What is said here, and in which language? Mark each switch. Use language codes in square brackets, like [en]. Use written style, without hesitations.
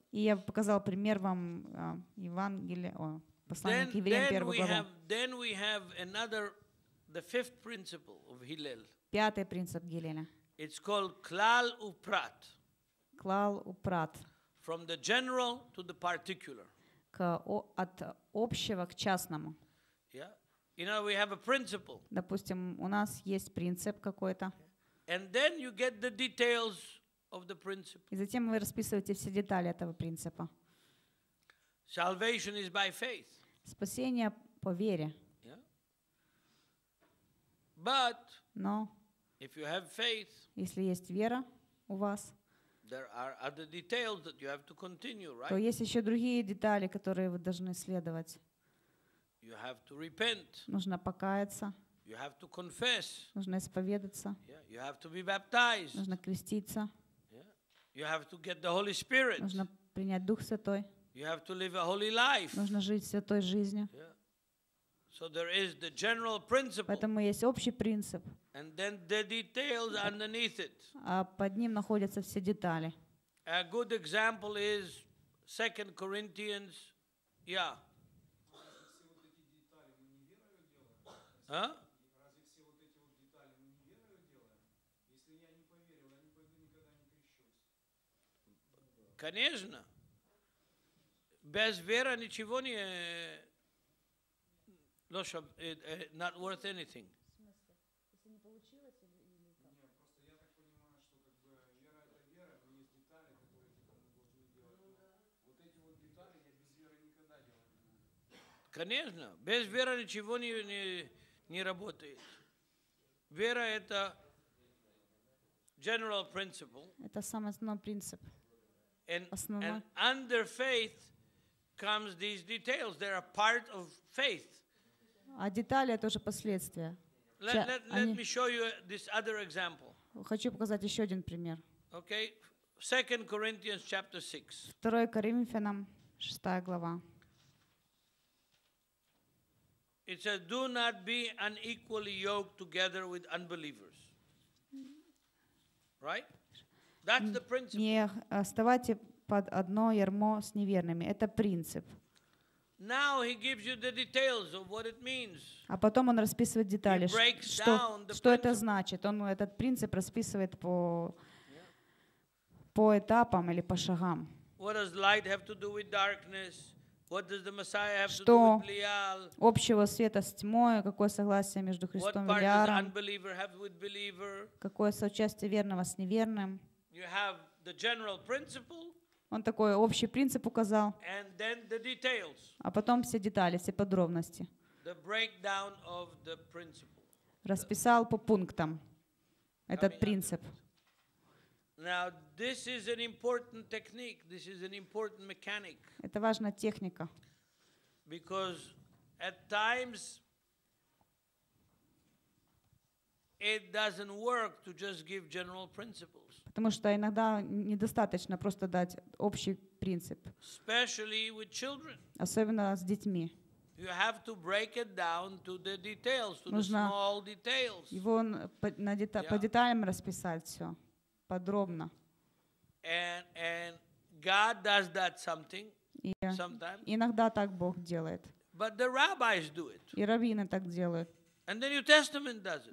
[ru] И я показал пример вам Евангелие, послание к Евреям, первую главу. [en] Then we have another, the fifth principle of Hillel. [ru] Пятый принцип Гиллеля. [en] It's called Klal Uprat. [ru] клал у прат. [en] From the general to the particular. [ru] К от общего к частному. [en] Yeah. You know, we have a principle. [ru] Допустим, у нас есть принцип какой-то. [en] And then you get the details of the principle. [ru] И затем вы расписываете все детали этого принципа. [en] Salvation is by faith. [ru] Спасение по вере. [en] Yeah. But no. If you have faith, [ru] если есть вера у вас, [en] there are other details that you have to continue, right? [ru] То есть еще другие детали, которые вы должны следовать. [en] You have to repent. [ru] Нужно покаяться. [en] You have to confess. [ru] Нужно исповедаться. [en] Yeah. You have to be baptized. [ru] Нужно креститься. [en] Yeah. You have to get the Holy Spirit. [ru] Нужно принять Дух Святой. [en] You have to live a holy life. [ru] Нужно жить святой жизнью. [en] So there is the general principle. [ru] Поэтому есть общий принцип. [en] And then the details underneath it. [ru] А под ним находятся все детали. [en] A good example is 2 Corinthians. Yeah. Huh? [ru] Конечно. Без веры ничего не Лоша, [en] not worth anything. [ru] В смысле? Если не получилось или нет? Нет, просто я так понимаю, что как бы вера это вера, но есть детали, которые мы должны делать. Вот эти вот детали я без веры никогда делать не буду. Конечно, без веры ничего не работает. Вера это [en] general principle. [ru] Это сам основной принцип. [en] And under faith comes these details. They are part of faith. [ru] А детали это уже последствия. [en] Let me show you this other example. [ru] Хочу показать еще один пример. [en] Okay. 2 Corinthians chapter 6. [ru] 2 Коринфянам 6 глава. [en] It says, "Do not be unequally yoked together with unbelievers." Right? That's the principle. [ru] Не оставайте под одно ярмо с неверными. Это принцип. [en] Now he gives you the details of what it means. [ru] А потом он расписывает детали, что это значит. Он этот принцип расписывает по этапам или по шагам. [en] What does light have to do with darkness? What does the Messiah have [ru] что [en] to do with Belial? [ru] Что общего света с тьмой? Какое согласие между Христом и Лиаром? [en] What part does unbeliever have with believer? [ru] Какое соучастие верного с неверным? [en] You have the general principle. [ru] Он такой общий принцип указал. [en] And then the details. [ru] А потом все детали, все подробности. [en] The breakdown of the principle. [ru] Расписал по пунктам этот принцип. [en] Now, this is an important technique. This is an important mechanic. [ru] Это важная техника. [en] Because at times it doesn't work to just give general principles. [ru] Потому что иногда недостаточно просто дать общий принцип. [en] Especially with children. [ru] Особенно с детьми. [en] You have to break it down to the details, to the small details. [ru] Его по деталям расписать все подробно. [en] And God does that something. Sometimes. [ru] Иногда так Бог делает. [en] But the rabbis do it. [ru] И раввины так делают. [en] And the New Testament does it.